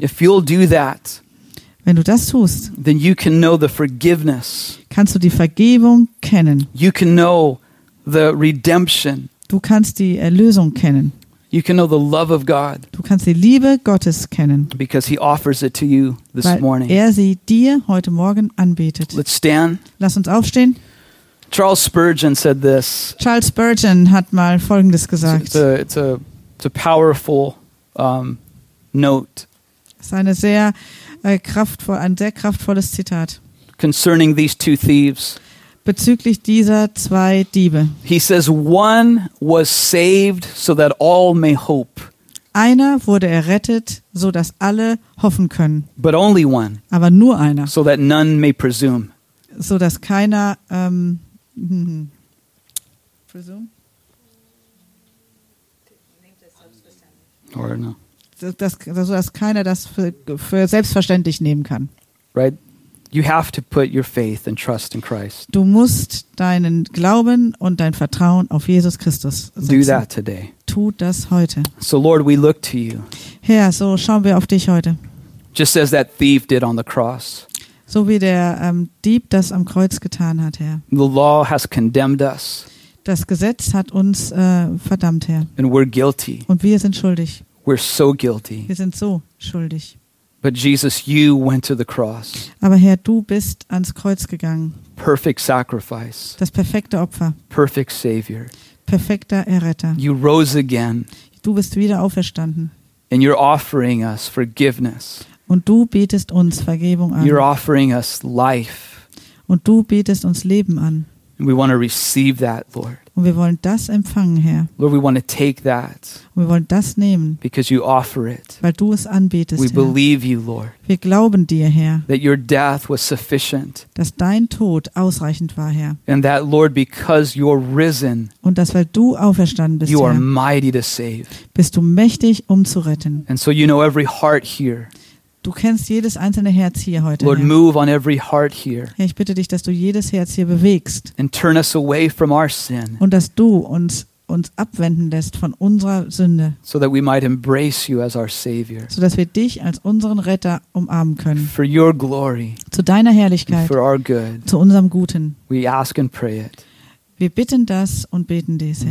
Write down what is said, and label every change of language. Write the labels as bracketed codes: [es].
[en] If you'll do that, [de] wenn du das tust, [en] then you can know the forgiveness. [de] Kannst du die Vergebung kennen. [en] You can know the redemption. [de] Du kannst die Erlösung kennen. [en] You can know the love of God. [de] Du kannst die Liebe Gottes kennen. [en] Because he offers it to you this [de] weil [en] morning. [de] Er sie dir heute Morgen anbietet. [en] Let's stand. [de] Lass uns aufstehen. [en] Charles Spurgeon said this. [de] Charles Spurgeon hat mal Folgendes gesagt. [en] It's a powerful note. [de] Es ist eine sehr kraftvolles Zitat. [en] Concerning these two thieves. [de] Bezüglich dieser zwei Diebe. [en] He says, one was saved so that all may hope. [de] Einer wurde errettet, so dass alle hoffen können. [en] But only one. [de] Aber nur einer. [en] So that none may presume. [de] So dass keiner [en] Or no. [de] Dass keiner das für selbstverständlich nehmen kann. [en] Right. You have to put your faith and trust in Christ. [de] Du musst deinen Glauben und dein Vertrauen auf Jesus Christus setzen. [en] Do that today. [de] Tu das heute. [en] So Lord, we look to you. [de] Herr, so schauen wir auf dich heute. [en] Just as that thief did on the cross. [de] So wie der Dieb das am Kreuz getan hat, Herr. [en] The law has condemned us. [de] Das Gesetz hat uns verdammt, Herr. [en] And we're guilty. [de] Und wir sind schuldig. [en] We're so guilty. [de] Wir sind so schuldig. [en] But Jesus, you went to the cross. [de] Aber Herr, du bist ans Kreuz gegangen. [en] Perfect sacrifice. [de] Das perfekte Opfer. [en] Perfect savior. [de] Perfekter Erretter. [en] You rose again. [de] Du bist wieder auferstanden. [en] And you're offering us forgiveness. [de] Und du bietest uns Vergebung an. [en] You're offering us life. [de] Und du bietest uns Leben an. [en] And we want to receive that, Lord. [de] Und wir wollen das empfangen, Herr. [en] Lord, we want to take that. [de] Und wir wollen das nehmen. [en] Because you offer it. [de] Weil du es anbietest, [en] we [de] Herr. [en] Believe you, Lord. [de] Wir glauben dir, Herr. [en] That your death was sufficient. [de] Dass dein Tod ausreichend war, Herr. [en] And that, Lord, because you're risen. [de] Und dass, weil du auferstanden bist, [en] you [de] Herr. [en] You are mighty to save. [de] Bist du mächtig, um zu retten. [en] And so you know every heart here. [de] Du kennst jedes einzelne Herz hier heute. [en] Lord, move on every heart here. [de] Herr, ich bitte dich, dass du jedes Herz hier bewegst. [en] And turn us away from our sin. [de] Und dass du uns abwenden lässt von unserer Sünde. [en] So that we might embrace you as our savior. [de] So dass wir dich als unseren Retter umarmen können. [en] For your glory. [de] Zu deiner Herrlichkeit. [en] And for our good. [de] Zu unserem Guten. [en] We ask and pray it. [de] Wir bitten das und beten dies, Herr.